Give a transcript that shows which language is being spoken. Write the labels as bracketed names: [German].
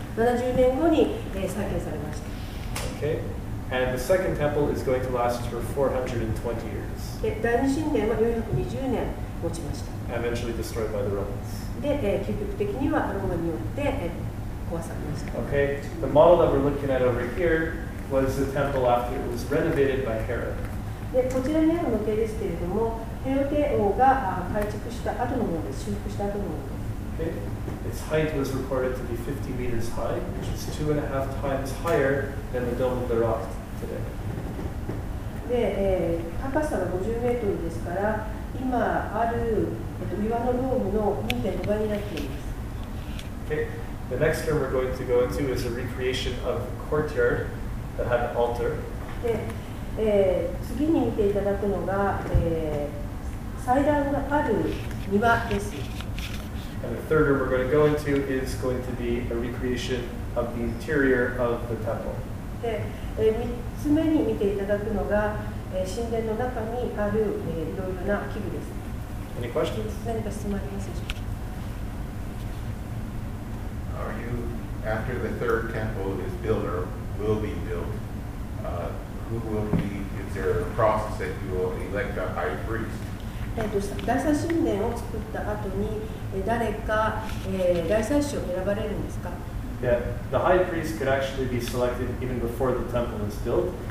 [Japanese] 70年後に、再建されました。 [English] Okay. And the second temple is going to last for 420 years. [Japanese] で、第二神殿は420年持ちました。 [English] Eventually destroyed by the Romans. [Japanese] で、結局的にはローマによって、壊されました。 [English] Okay. The model that we're looking at over here was the temple after it was renovated by Herod. [Japanese] で、こちらにある模型ですけれども、ヘロデ王が改築した後のものです。修復した後のものです。 [English] Okay. Its height was reported to be 50 meters high, which is 2.5 times higher than the Dome of the Rock today. [Japanese] で、高さが50メートルですから、今ある岩のドームの 2.5 倍になっています。 [English] Okay. The next room we're going to go into is a recreation of a courtyard that had an altar. [Japanese] で、次に見ていただくのが、祭壇がある庭です。 [English] And the third room we're going to go into is going to be a recreation of the interior of the temple. [Japanese] で、3つ目に見ていただくのが、神殿の中にある、いろいろな器具です。 [English] Any questions? [Japanese] 何か質問ありますでしょうか。 [English] Are you, after the third temple is built or will be built, who will be, is there a process that you will elect a high priest? [Japanese] 第三神殿を作った後に誰か、大祭司を選ばれるんですか。 [English] Yeah, the high priest could actually be selected even before the temple is built.